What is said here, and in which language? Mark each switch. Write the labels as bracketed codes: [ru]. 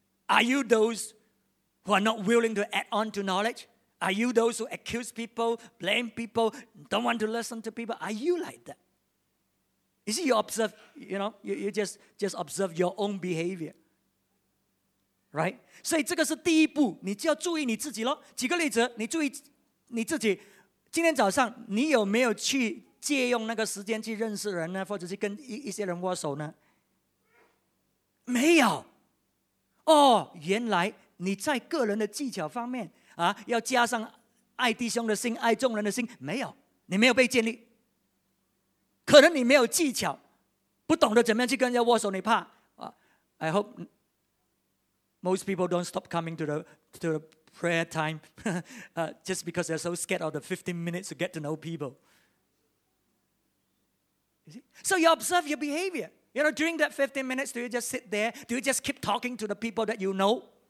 [en] it. Are you those who are not willing to add on to knowledge? Are you those who accuse people, blame people, don't want to listen to people? Are you like that? You see, you observe, you know, you just observe your own behavior. Right? [zh] 所以这个是第一步，你就要注意你自己咯。举个例子，你注意你自己，今天早上你有没有去借用那个时间去认识人呢？或者是跟一些人握手呢？没有哦，原来你在个人的技巧方面啊，要加上爱弟兄的心、爱众人的心，没有，你没有被建立。可能你没有技巧，不懂得怎么样去跟人家握手，你怕 [en] 啊。I hope most people don't stop coming to the prayer time, just because they're so scared of the 15 minutes to get to know people. You see? So you observe your behavior. You know, during that 15 minutes, do you just sit there? Do you just keep talking to the people that you know?